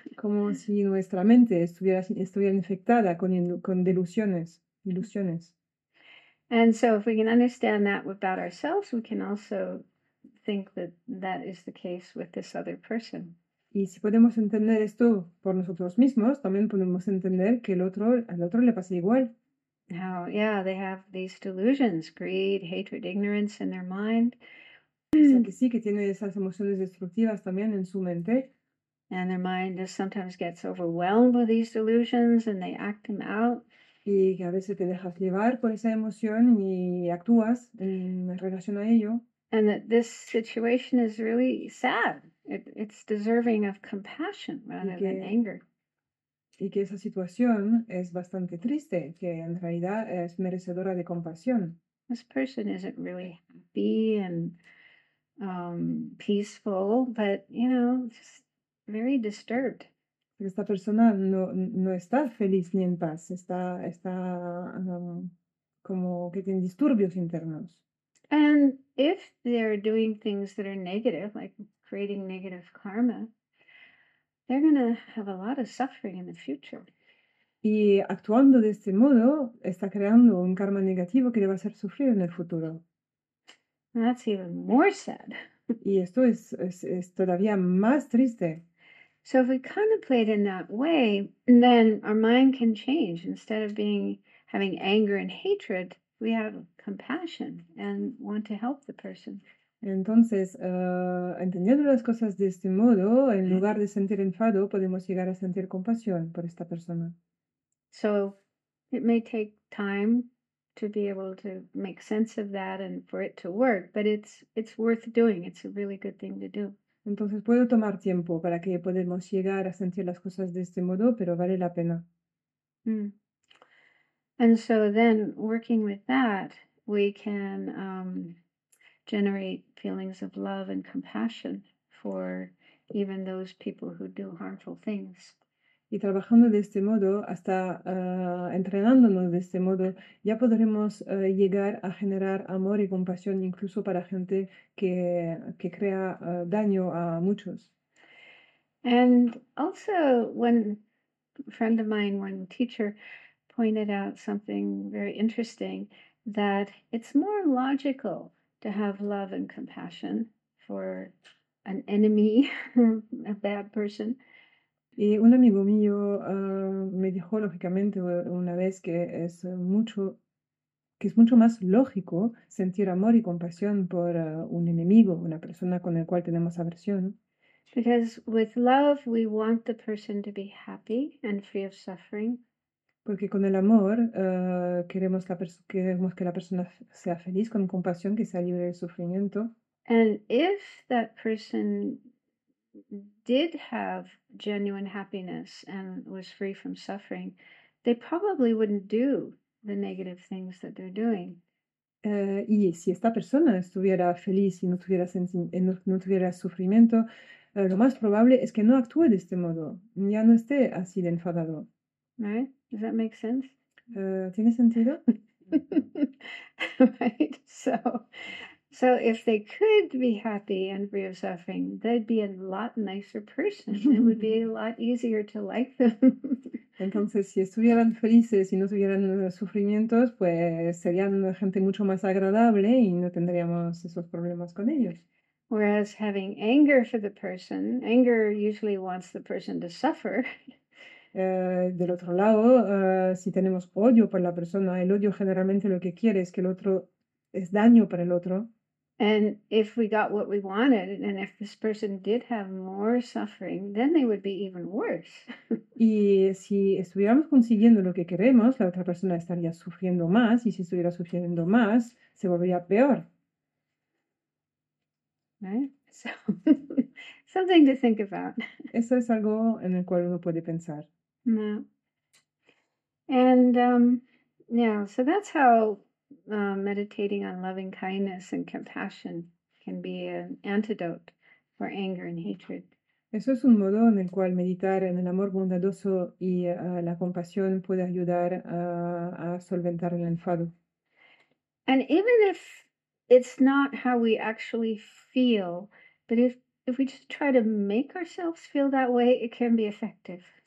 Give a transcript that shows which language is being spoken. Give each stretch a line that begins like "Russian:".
Spanish: como si nuestra mente estuviera infectada con delusiones, ilusiones.
English: And so if we can understand that about ourselves, we can also think that that is the case with this other person.
Spanish: Y si podemos entender esto por nosotros mismos, también podemos entender que al otro le pasa igual.
English: Now, yeah, they have these delusions, greed, hatred, ignorance in their mind.
Spanish: O sea que sí, que tiene esas emociones destructivas también en su mente.
English: And their mind just sometimes gets overwhelmed with these delusions and they act them out.
Spanish: Y que a veces te dejas llevar por esa emoción y actúas en relación a ello.
English: And that this situation is really sad. It's deserving of compassion
Spanish: Y
English: rather than anger.
Spanish: que esa situación es bastante triste, que en realidad es merecedora de compasión.
English: This person isn't really happy and peaceful, but just very disturbed.
Spanish: Esta persona no está feliz ni en paz, está como que tiene disturbios internos.
English: And if they're doing things that are negative, like creating negative karma, they're gonna have a lot of suffering in the future.
Spanish: Y actuando de este modo, está creando un karma negativo que le va a hacer sufrir en el futuro.
English: That's even more sad.
Spanish: Y esto es todavía más triste.
English: So if we contemplate in that way, then our mind can change. Instead of having anger and hatred, we have compassion and want to help the person.
Spanish: Entonces, entendiendo las cosas de este modo, en lugar de sentir enfado, podemos llegar a sentir compasión por esta persona.
English: So it may take time to be able to make sense of that and for it to work, but it's worth doing. It's a really good thing to do.
Spanish: Entonces, puedo tomar tiempo para que podamos llegar a sentir las cosas de este modo, pero vale la pena.
English: And so then working with that, we can generate feelings of love and compassion for even those people who do harmful things.
Spanish: Y trabajando de este modo, hasta entrenándonos de este modo, ya podremos llegar a generar amor y compasión incluso para gente que crea daño a muchos.
English: And also, one friend of mine, one teacher, pointed out something very interesting, that it's more logical to have love and compassion for an enemy, a bad person.
Spanish: Y un amigo mío me dijo lógicamente una vez que es mucho más lógico sentir amor y compasión por un enemigo, una persona con la cual tenemos aversión.
English: Because with love, we want the person to be happy and free of suffering.
Spanish: Porque con el amor queremos que la persona sea feliz, con compasión, que sea libre del sufrimiento.
English: And if that person did have genuine happiness and was free from suffering, they probably wouldn't do the negative things that they're doing.
Spanish: Y si esta persona estuviera feliz y no tuviera sufrimiento, lo más probable es que no actúe de este modo, ya no esté así de enfadado.
English: Right? Does that make sense?
Spanish: ¿Tiene sentido?
English: Right? So if they could be happy and free of suffering, they'd be a lot nicer person. It would be a lot easier to like them.
Spanish: Entonces, si estuvieran felices y no tuvieran sufrimientos, pues serían gente mucho más agradable y no tendríamos esos problemas con ellos.
English: Whereas having anger for the person, anger usually wants the person to suffer.
Spanish: Del otro lado, si tenemos odio por la persona, el odio generalmente lo que quiere es que el otro es daño para el otro.
English: And if we got what we wanted, and if this person did have more suffering, then they would be even worse.
Spanish: Y si estuviéramos consiguiendo lo que queremos, la otra persona estaría sufriendo más, y si estuviera sufriendo más, se volvería peor.
English: Right? So, something to think about.
Spanish: Eso es algo en el cual uno puede pensar. No.
English: And, so that's how meditating on loving kindness and compassion can be an antidote for anger and hatred.
Spanish: Eso es un modo en el cual meditar en el amor bondadoso y la compasión puede ayudar a solventar el enfado.
English: And even if it's not how we actually feel, but if we just try to make ourselves feel that way, it can be effective.